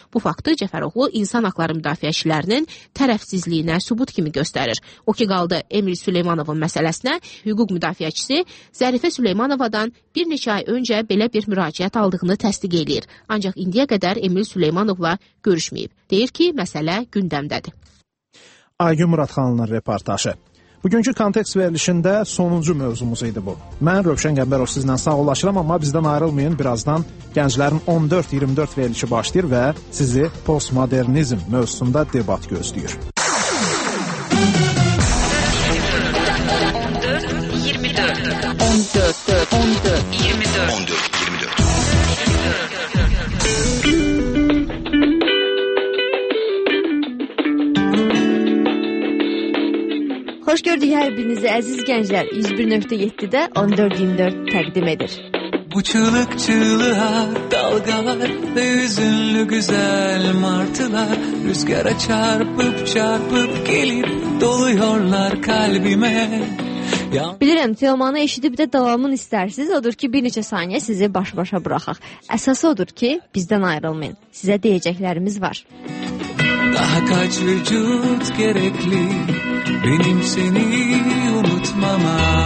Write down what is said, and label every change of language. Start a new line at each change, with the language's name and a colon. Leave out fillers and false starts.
Azerbaijani: Bu faktı Cəfəroğlu insan haqları müdafiəçilərinin tərəfsizliyinə sübut kimi göstərir. O ki, qaldı Emil Süleymanovun məsələsinə hüquq müdafiəçisi Zərifə Süleymanovadan bir neçə ay öncə belə bir müraciət aldığını təsdiq edir. Ancaq indiyə qədər Emil Süleymanovla görüşməyib. Deyir ki, məsələ gündəmdədir. Aygün Muradxanlının reportajı. Bugünkü kontekst verilişində sonuncu mövzumuz idi bu. Mən Rövşən Qəmbərov sizlə sağollaşıram, amma bizdən ayrılmayın. Birazdan gənclərin 14-24 verilişi başlayır və sizi postmodernizm mövzusunda debat gözləyir.
Turkish: 14-24 Hoş gördük her birinizi aziz gençler.
Azerbaijani: 101.7'de 14.24 təqdim edir.
Turkish: Bu çığlık çığlığa dalgalar ve üzünlü güzel martılar rüzgara çarpıp çarpıp gelip doluyorlar kalbime.
Azerbaijani: Bilirəm, Teomanı eşidib də davamını istərsiniz, odur ki, bir neçə saniyə sizi baş-başa buraxaq. Əsası odur ki, bizdən ayrılmayın, sizə deyəcəklərimiz var.
Turkish: Daha kaç vücut gerekli benim seni unutmama.